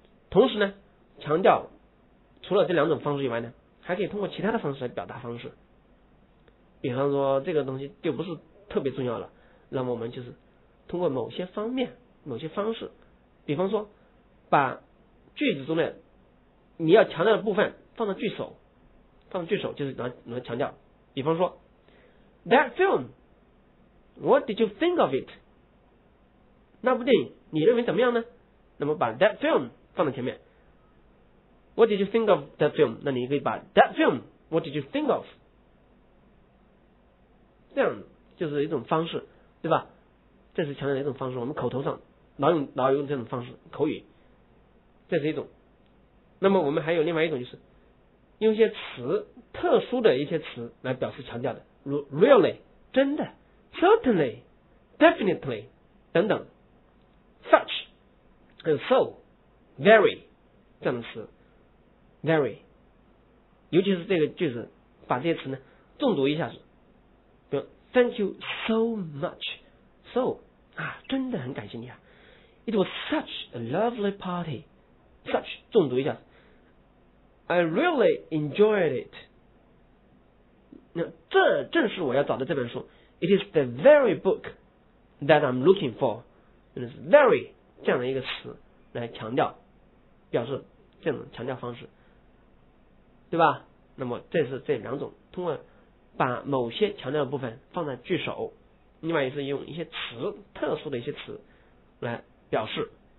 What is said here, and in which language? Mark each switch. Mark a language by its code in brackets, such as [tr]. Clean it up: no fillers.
[zh] 同时呢，强调除了这两种方式以外呢，还可以通过其他的方式来表达方式，比方说这个东西就不是特别重要了，那么我们就是通过某些方面某些方式，比方说把句子中的你要强调的部分放到句首，放到句首就是能强调，比方说 [en] That film What did you think of it? [zh] 那部电影你认为怎么样呢？那么把 [en] That film [zh] 放到前面， [en] What did you think of that film? [zh] 那你可以把 [en] That film What did you think of? [zh] 这样就是一种方式，对吧？这是强调的一种方式，我们口头上老用这种方式，口语，这是一种。那么我们还有另外一种，就是用一些词，特殊的一些词来表示强调的，如 really 真的， certainly definitely 等等， such and so very 这样的词， very 尤其是这个句子，把这些词呢重读一下子，比如 [en] thank you so much so [zh] 啊，真的很感谢你啊， [en] it was such a lovely party such [zh] 重读一下子， [en] I really enjoyed it. [zh] 那这正是我要找的这本书。 [en] It is the very book that I'm looking for. [zh] 就是 very 这样的一个词来强调，表示这种强调方式，对吧？那么这是这两种，通过把某些强调的部分放在句首，另外也是用一些词，特殊的一些词来表示。